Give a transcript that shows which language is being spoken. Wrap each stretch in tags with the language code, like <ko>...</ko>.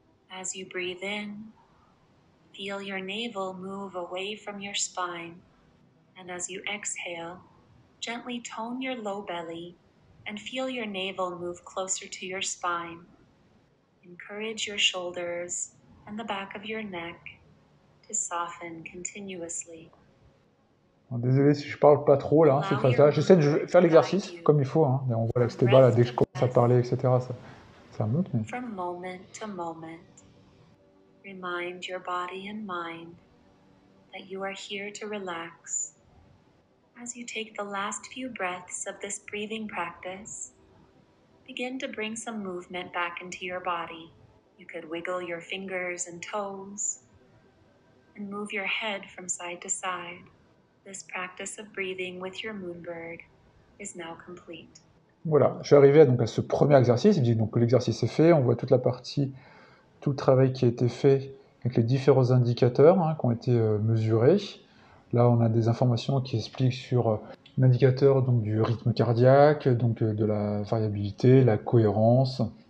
<en>As you breathe in, feel your navel move away from your spine. And as you exhale, gently tone your low belly and feel your navel move closer to your spine. Encourage your shoulders and the back of your neck to soften continuously.</en> <fr>Désolé si je parle pas trop là, cette phase-là. J'essaie de faire l'exercice comme il faut. Hein. On voit là que c'était bas là, dès que je commence à parler, etc. Ça monte. Mais...</fr> <en>From moment to moment, remind your body and mind that you are here to relax. As you take the last few breaths of this breathing practice, begin to bring some movement back into your body. You could wiggle your fingers and toes and move your head from side to side. This practice of breathing with your moonbird is now complete.</en> <fr>Voilà, je suis arrivé donc à ce premier exercice. Il dit donc que l'exercice est fait. On voit toute la partie, tout le travail qui a été fait avec les différents indicateurs hein, qui ont été mesurés. Là, on a des informations qui expliquent sur l'indicateur donc du rythme cardiaque, donc de la variabilité, la cohérence.</fr>